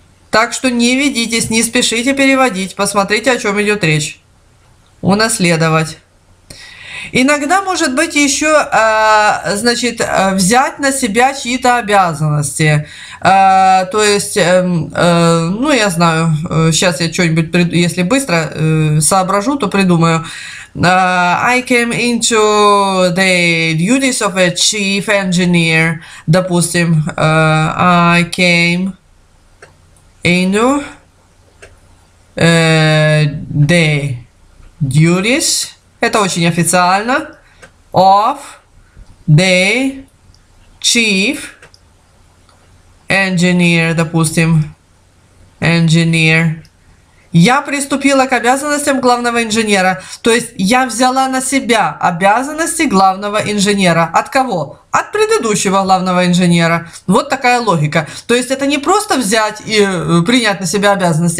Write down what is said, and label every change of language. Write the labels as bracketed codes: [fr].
[ru] Так что не ведитесь, не спешите переводить. Посмотрите, о чем идет речь. Унаследовать. Иногда может быть еще, значит, взять на себя чьи-то обязанности. То есть, ну, я знаю, сейчас я что-нибудь, если быстро соображу, то придумаю. [en] I came into the duties of a chief engineer. [ru] Допустим, [en] I came... Into the duties. [ru] Это очень официально. [en] Of the chief engineer, [ru] допустим. [en] Engineer. [ru] Я приступила к обязанностям главного инженера. То есть я взяла на себя обязанности главного инженера. От кого? От предыдущего главного инженера. Вот такая логика. То есть это не просто взять и принять на себя обязанности.